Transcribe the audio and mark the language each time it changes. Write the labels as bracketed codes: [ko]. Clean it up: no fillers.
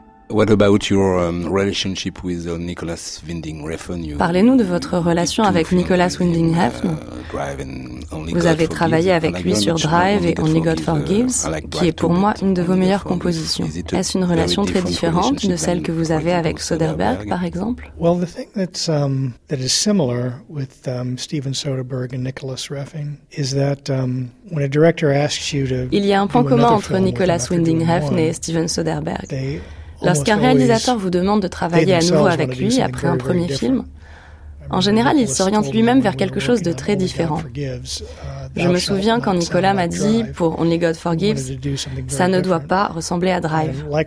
[en] What about your relationship with Nicholas Winding Refn? [fr] Parlez-nous de votre relation avec Nicholas Winding Refn. Vous avez travaillé avec lui sur Drive et Only God Forgives, qui est pour moi une de vos meilleures compositions. Est-ce une relation très différente de celle que vous avez avec Soderbergh, par exemple? [en] Well, the thing that's that is similar with Steven Soderbergh and Nicholas Refn is that when a director asks you to, [fr] il y a un point commun entre Nicholas Winding Refn et Steven Soderbergh. Lorsqu'un réalisateur vous demande de travailler à nouveau avec lui après un premier film, En général, il s'oriente lui-même vers quelque chose de très différent. Je me souviens quand Nicolas m'a dit, pour Only God Forgives, ça ne doit pas ressembler à Drive.